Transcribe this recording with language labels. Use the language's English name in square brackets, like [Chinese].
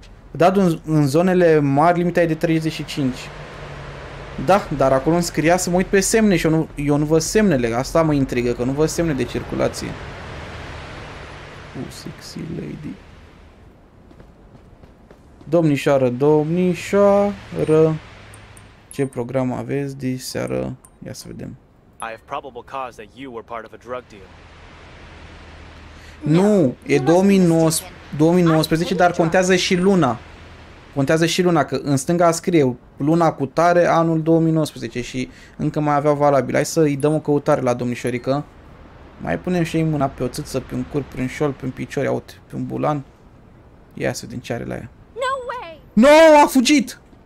[Romanian] Da, în zonele mari limita e de 35. Da, dar acolo îmi scria să mă uit pe semne și eu nu văd semnele. Asta mă intrigă, că nu văd semne de circulație. [English] Sexy lady. [Romanian] Domnișoară, domnișoară. Ce program aveți de seară? Ia să vedem. [English] I have probable cause that you were part of a drug deal. [Romanian] Nu, e 2019, dar contează și luna. Contează și luna, că în stânga scrie luna cu tare anul 2019 și încă mai avea valabil. Hai să îi dăm o căutare la domnișorică. Mai punem și ei mâna pe o țâță, pe un cur, pe un șol, pe un picior, aute, pe un bulan. Ia să vedem ce are la ea. [English] No way! No, [Romanian] a fugit!